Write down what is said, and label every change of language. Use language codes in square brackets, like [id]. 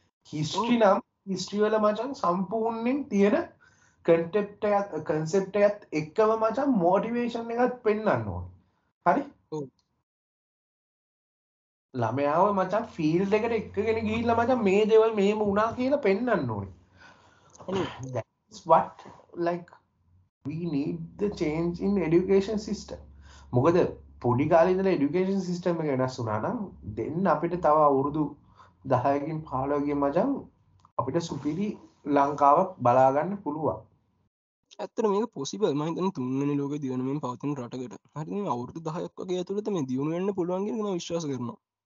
[si] History නම් history වල මචං සම්පූර්ණයෙන් තියෙන කන්සෙප්ට් එකක් කන්සෙප්ට් එකත් එක්කම මචං මොටිවේෂන් එකක් පෙන්වන්න ඕනේ. හරි? ඔව්. ළමයාව මචං ෆීල්ඩ් එකට එක්කගෙන ගිහිල්ලා මචං මේ දේවල් මෙහෙම වුණා කියලා පෙන්වන්න ඕනේ. [en] That's what like we need the change in education system. [si] මොකද පොඩි කාලේ ඉඳලා এডুকেෂන් සිස්ටම් එක වෙනස් වුණා නම් දෙන්න අපිට තව අවුරුදු 10කින් 15කින් මචං අපිට සුපිරි ලංකාවක් බලා ගන්න පුළුවන්. ඇත්තට මේක පොසිබල් මම හිතන්නේ තුන්වෙනි ලෝක දිවණමින් පවතින රටකට. හරි මේ අවුරුදු 10ක් වගේ ඇතුළත මේ දිනු වෙන්න පුළුවන් කියන එක මම විශ්වාස කරනවා.